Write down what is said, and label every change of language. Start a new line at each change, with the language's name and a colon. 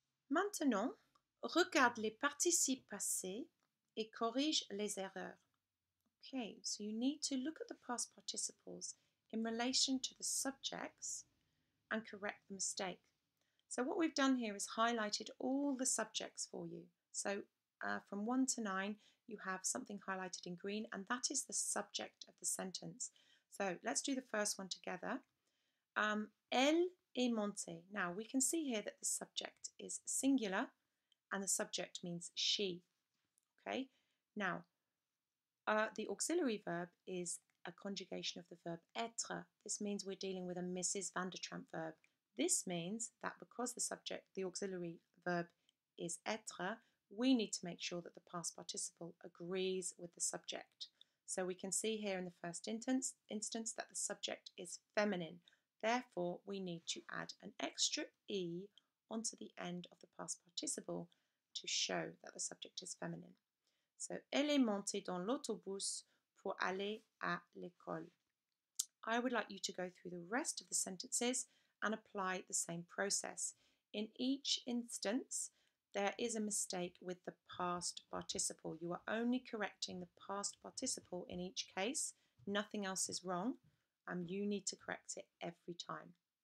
French: Maintenant, regarde les participes passés et corrige les erreurs.
English: Okay, so you need to look at the past participles in relation to the subjects and correct the mistake. So what we've done here is highlighted all the subjects for you. So from 1 to 9, you have something highlighted in green, and that is the subject of the sentence. So let's do the first one together.
French: Elle est montée.
English: Now, we can see here that the subject is singular, and the subject means she. Okay, now, the auxiliary verb is a conjugation of the verb être. This means we're dealing with a Mrs. Van der Tramp verb. This means that because the subject, the auxiliary verb is être, we need to make sure that the past participle agrees with the subject. So we can see here in the first instance that the subject is feminine. Therefore, we need to add an extra E onto the end of the past participle to show that the subject is feminine.
French: So, elle est montée dans l'autobus pour aller à l'école.
English: I would like you to go through the rest of the sentences and apply the same process. In each instance, there is a mistake with the past participle. You are only correcting the past participle in each case. Nothing else is wrong, and you need to correct it every time.